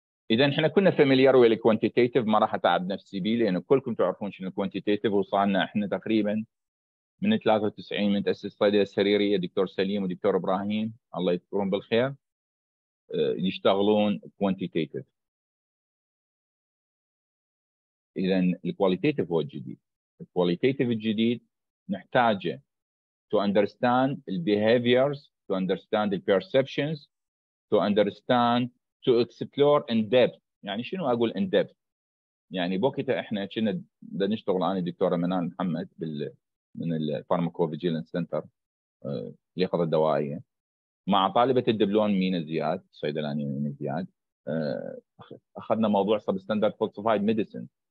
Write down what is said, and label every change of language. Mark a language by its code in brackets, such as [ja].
[ar] اذا احنا كنا فاميليار ويا الكوانتيتيف، ما راح اتعب نفسي بيه لان كلكم تعرفون شنو الكوانتيتيف. وصلنا احنا تقريبا من 93 من تاسيس الصيدليه السريريه دكتور سليم ودكتور ابراهيم الله يذكرهم بالخير يشتغلون كوانتيتيف. اذا الكواليتيتيف هو الجديد. [en] الكواليتيتيف [ar] الجديد نحتاجه [en] to understand the behaviors, to understand the perceptions, to understand, to explore in depth. [ar] يعني شنو أقول in depth؟ يعني بوقت إحنا كنا دا نشتغل أنا دكتورة منال محمد من الفارماكوفيجيلانس سنتر اليقظة الدوائية مع طالبة الدبلون مينا زياد صيدلانية مينا زياد، أخذنا موضوع [en] substandard falsified medicine.